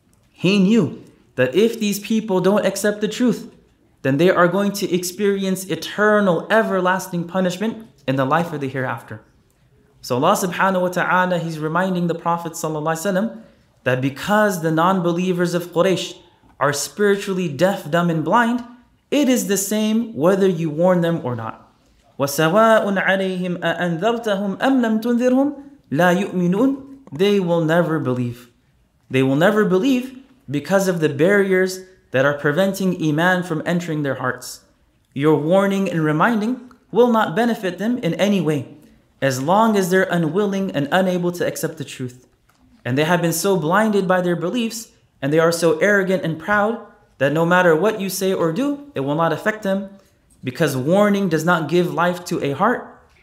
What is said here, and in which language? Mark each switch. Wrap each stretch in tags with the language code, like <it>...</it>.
<en>He knew that if these people don't accept the truth, then they are going to experience eternal, everlasting punishment in the life of the hereafter. So Allah subhanahu wa ta'ala, He's reminding the Prophet sallallahu alaihi wasallam that because the non-believers of Quraysh are spiritually deaf, dumb, and blind, it is the same whether you warn them or not.</en> <ar>وَسَوَاءٌ عَلَيْهِمْ أَأَنذَرْتَهُمْ أَمْ لَمْ تُنذِرْهُمْ لَا يُؤْمِنُونَ</ar> <en>They will never believe. They will never believe because of the barriers that are preventing iman from entering their hearts. Your warning and reminding will not benefit them in any way, as long as they're unwilling and unable to accept the truth. And they have been so blinded by their beliefs, and they are so arrogant and proud, that no matter what you say or do, it will not affect them, because warning does not give life to a heart.</en>